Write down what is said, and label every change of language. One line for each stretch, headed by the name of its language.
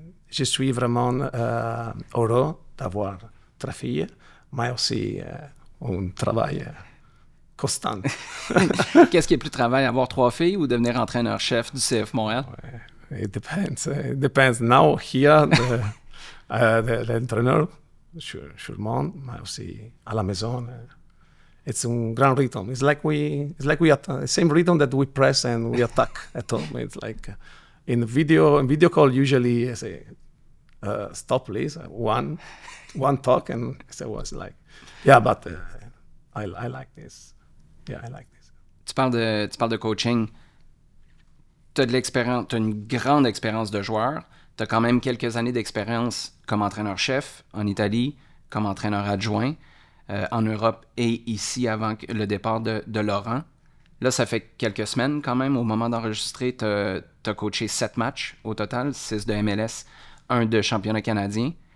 French: Je suis vraiment heureux d'avoir trois filles, mais aussi un travail constant. Qu'est-ce qui est plus travail, avoir trois filles ou devenir entraîneur-chef du CF Montréal?
English: It depends. It depends. Now, here,
French: l'entraîneur, sûrement, mais aussi à la maison.
English: It's
French: un grand rythme.
English: It's like we at the same rhythm that we press and we attack at home. It's like... In video call, usually I say, stop, please. One talk, and so it was like, yeah, but I like this. Yeah, I like this.
French: Tu parles de coaching. Tu as de l'expérience, tu as une grande expérience de joueur. Tu as quand même quelques années d'expérience comme entraîneur-chef en Italie, comme entraîneur adjoint en Europe et ici avant le départ de Laurent. Là, ça fait quelques semaines quand même, au moment d'enregistrer, tu as coaché 7 matchs au total, 6 de MLS, 1 de championnat canadien.